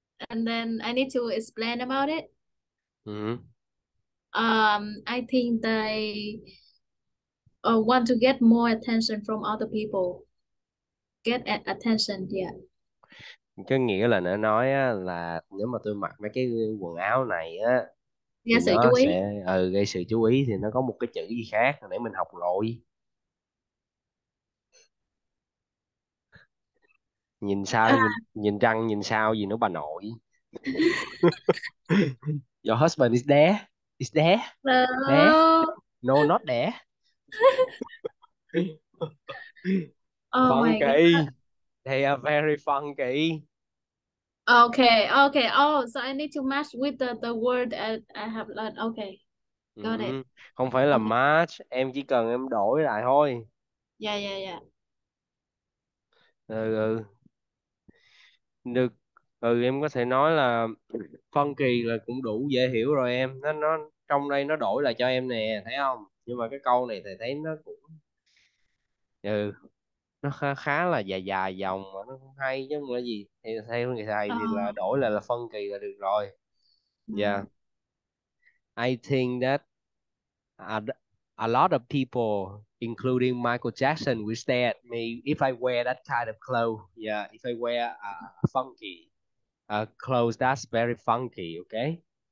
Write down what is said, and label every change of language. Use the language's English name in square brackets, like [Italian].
[English] And then I need to explain about it. I think they want to get more attention from other people. Get attention, yeah. [Vietnamese] Cái nghĩa là nó nói á, là nếu mà tôi mặc mấy cái quần áo này á thì [English] yes, [Vietnamese] nó sẽ gây sự chú ý, thì nó có một cái chữ gì khác để mình học lội. Nhìn sao thì nhìn, nhìn răng nhìn sao gì nữa bà nội. [English] Your husband is there. Is there? There. No, not there. Oh Funky. My God. They are very funky. Okay. Oh, so I need to match with the word I have learned. Okay. Got it. [Vietnamese] Không phải là match, em chỉ cần em đổi lại thôi. [English] Yeah. [Vietnamese] Được. Em có thể nói là funky là cũng đủ dễ hiểu rồi em. Nó trong đây nó đổi lại cho em nè, thấy không? Nhưng mà cái câu này thầy thấy nó cũng nó khá là dài dài dòng mà nó cũng hay chứ không là gì. Thì theo người thầy thì là đổi lại là phân kỳ là được rồi. [English] I think that a lot of people including Michael Jackson will stare at me if I wear that kind of clothes. Yeah, if I wear a funky clothes that's very funky, okay?